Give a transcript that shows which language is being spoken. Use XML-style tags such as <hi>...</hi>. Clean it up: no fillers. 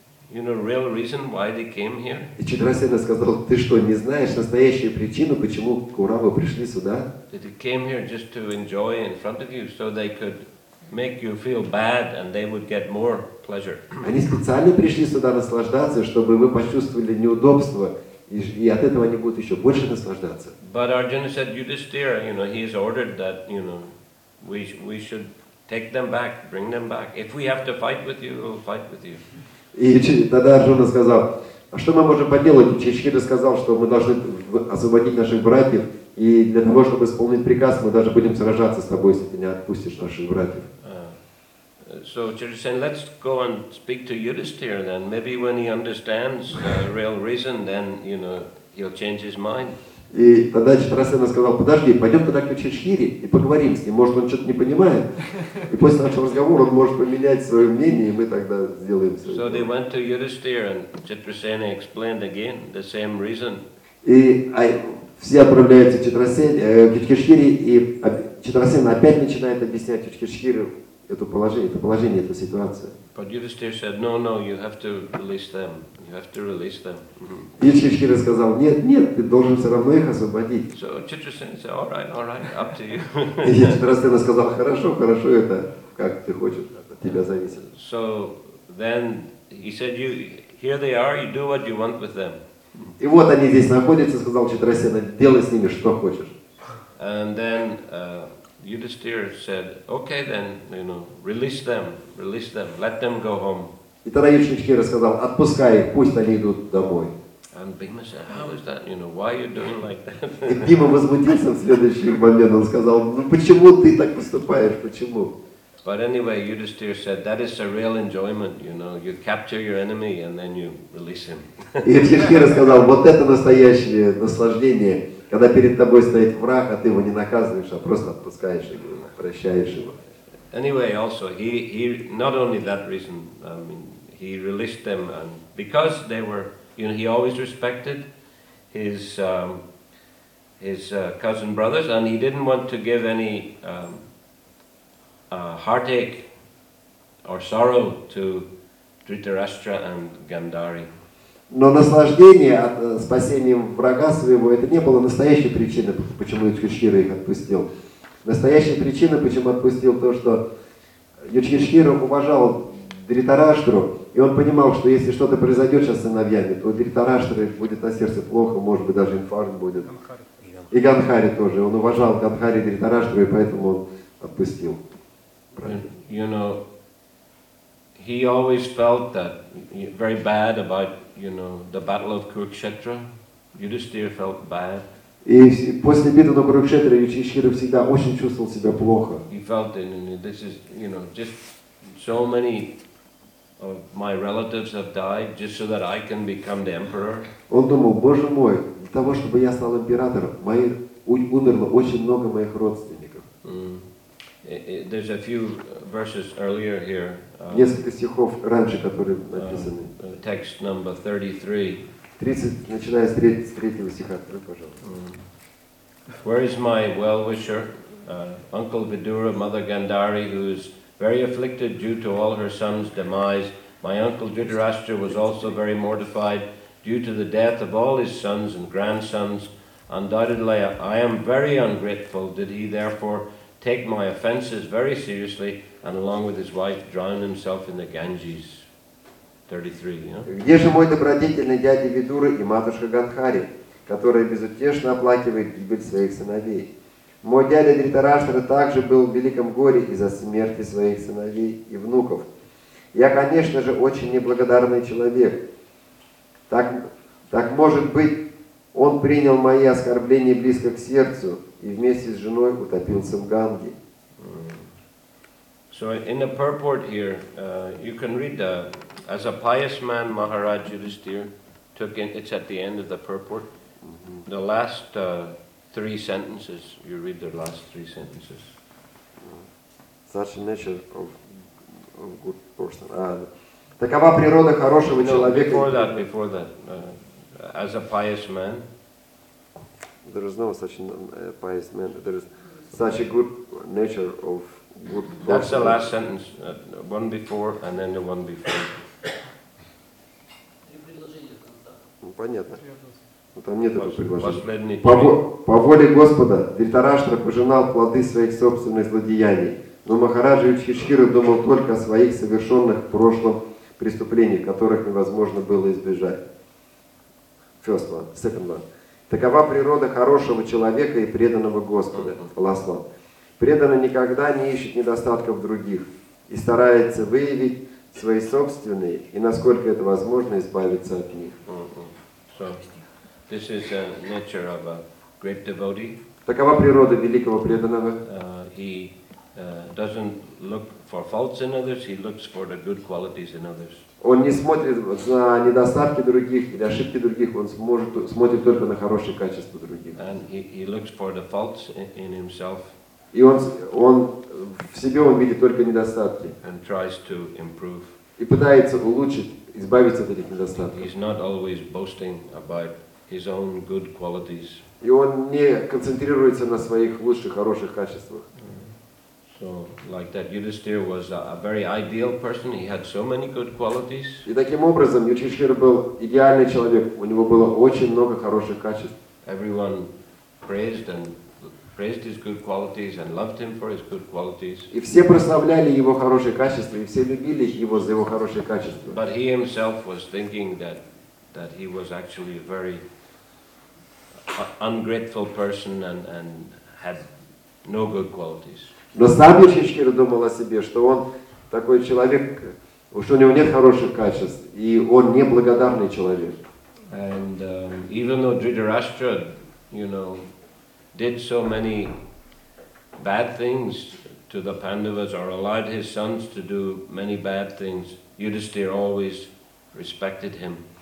<en>You know real reason why they came here?</en> <ru>И Читрасена сказал, ты что, не знаешь настоящую причину, почему Кауравы пришли сюда?</ru> <en>They came here just to enjoy in front of you, so they could make you feel bad, and they would get more pleasure.</en> <ru>Они специально пришли сюда наслаждаться, чтобы вы почувствовали неудобство, и от этого они будут еще больше наслаждаться.</ru> <en>But Arjuna said, Yudhishthira, you know, he has ordered that, you know, we should take them back, bring them back. If we have to fight with you, we'll fight with you.</en> <ru>И тогда Арджуна сказал, а что мы можем поделать? Чичхира сказал, что мы должны освободить наших братьев, и для того, чтобы исполнить приказ, мы даже будем сражаться с тобой, если ты не отпустишь наших братьев.</ru> <en>So Chitrasena, let's go and speak to Yudhishthira then. Maybe when he understands the real reason, then, you know, he'll change his mind.</en> <ru>И тогда Читрасена сказал, подожди, пойдем тогда к Юдхиштхире и поговорим с ним. Может, он что-то не понимает. И после нашего разговора он может поменять свое мнение, и мы тогда сделаем все.</ru> <en>So they went to Yudhishthira, and Chitrasena explained again the same reason.</en> <ru>И все отправляются к Юдхиштхире, и Читрасена опять начинает объяснять Юдхиштхире это положение, эту ситуацию.</ru> <en>But Yudhishthira said, no, you have to release them. You have to release them.</en> <ru>Юдхиштхира сказал, нет, ты должен все равно их освободить.</ru> <en>So Chitrasena said, all right, up to you.</en> <ru>Читрасена сказал, хорошо, это как ты хочешь, от тебя зависит.</ru> <en>So then he said, here they are, you do what you want with them.</en> <ru>И вот они здесь находятся, сказал Читрасена, делай с ними что хочешь.</ru> <en>And then Yudhishthira said, okay then, you know, release them, let them go home.</en> <ru>И тогда Юдхиштхира сказал, отпускай их, пусть они идут домой.</ru> <en>And Bhima said, how is that, you know, why are you doing like that?</en> <ru>И Бхима возмутился в следующий момент, он сказал, ну почему ты так поступаешь, почему?</ru> <en>But anyway, Yudhishthira said, that is a real enjoyment, you know, you capture your enemy and then you release him.</en> <ru>И Юдхиштхира сказал, вот это настоящее наслаждение. Когда перед тобой стоит враг, а ты его не наказываешь, а просто отпускаешь его, прощаешь его.</ru> <en>Anyway, also he not only that reason, I mean, he released them and because they were, you know, he always respected his cousin brothers, and he didn't want to give any heartache or sorrow to Dhritarashtra and Gandhari.</en> <ru>Но наслаждение от спасением врага своего, это не было настоящей причиной, почему Юдхиштхира их отпустил. Настоящая причина, почему отпустил, то, что Юдхиштхира уважал Дхритараштру, и он понимал, что если что-то произойдет сейчас с сыновьями, то у Дхритараштры будет на сердце плохо, может быть, даже инфаркт будет. И Гандхари тоже. Он уважал Гандхари и Дхритараштру, и поэтому он отпустил.</ru> <en>You know, he always felt that very bad about, you know, the battle of Kurukshetra. Yudhishthira felt bad.</en> <ru>И после битвы на Курукшетре Юдхиштхира всегда очень чувствовал себя плохо.</ru> <en>He felt that, you know, this is, you know, just so many of my relatives have died just so that I can become the emperor.</en> <ru>Он думал, Боже мой, для того чтобы я стал императором, умерло очень много моих родственников.</ru> <en>There's a few verses earlier here.</en> <ru>Несколько стихов раньше, которые написаны.</ru> <en>Text number 33.</en> <ru>Начиная с 33 стиха. Открой, пожалуйста.</ru> <en>Where is my well-wisher, Uncle Vidura, Mother Gandhari, who is very afflicted due to all her son's demise? My Uncle Dhritarashtra was also very mortified due to the death of all his sons and grandsons. Undoubtedly, I am very ungrateful. Did he therefore take my offenses very seriously, and along with his wife, drown himself in the Ganges. 33,</en> <ru>yeah? Где же мой добродетельный дядя Видура и матушка Гандхари, которая безутешно оплакивает гибель своих сыновей? Мой дядя Дхритараштра также был в великом горе из-за смерти своих сыновей и внуков. Я, конечно же, очень неблагодарный человек. Так может быть, он принял мои оскорбления близко к сердцу, и вместе с женой утопился в Ганге.</ru> <en>So in the purport here, you can read the, as a pious man, Maharaj Yudhishthira took in, it's at the end of the purport, the last three sentences, you read the last three sentences. Such a nature of good person.</en> <ru>Такова природа хорошего человека.</ru> <en>Before that, as a pious man, there is no such a pious man. There is such a good nature of good person. That's the last sentence. One before and then the one before.</en> <ru>Ну, понятно. Но там нет этого предложения. По воле Господа Дхритараштра пожинал плоды своих собственных злодеяний. Но Махараджа Юдхиштхира думал только о своих совершенных в прошлом преступлениях, которых невозможно было избежать.</ru> <en>First one. Second one.</en> <ru>Такова природа хорошего человека и преданного Господа.</ru> <en>Last one.</en> <ru>Преданный никогда не ищет недостатков других и старается выявить свои собственные и, насколько это возможно, избавиться от них.</ru> <en>So, this is the nature of a great devotee.</en> <ru>Такова природа великого преданного.</ru> <en>He doesn't look for faults in others, he looks for the good qualities in others.</en> <ru>Он не смотрит на недостатки других или ошибки других, он смотрит только на хорошие качества других.</ru> <en>And he looks for the faults in himself.</en> <ru>И он в себе он видит только недостатки.</ru> <en>And tries to improve.</en> <ru>И пытается улучшить, избавиться от этих недостатков.</ru> <en>He's not always boasting about his own good qualities.</en> <ru>И он не концентрируется на своих лучших, хороших качествах.</ru> <en>So, like that, Yudhishthira was a very ideal person. He had so many good qualities.</en> <ru>И таким образом, Юдхиштхира был идеальный человек. У него было очень много хороших качеств.</ru> <en>Everyone praised his good qualities and loved him for his good qualities.</en> <ru>И все прославляли его хорошие качества, и все любили его за его хорошие качества.</ru> <en>But he himself was thinking that he was actually a very ungrateful person and had no good qualities.</en> <ru>Но сам Юдхиштхира думал о себе, что он такой человек, что у него нет хороших качеств, и он неблагодарный человек.</ru> <en>And even though Dhritarashtra, you know, did so many bad things to the Pandavas or allowed his sons to do many bad things, Yudhishthira always respected him.</en>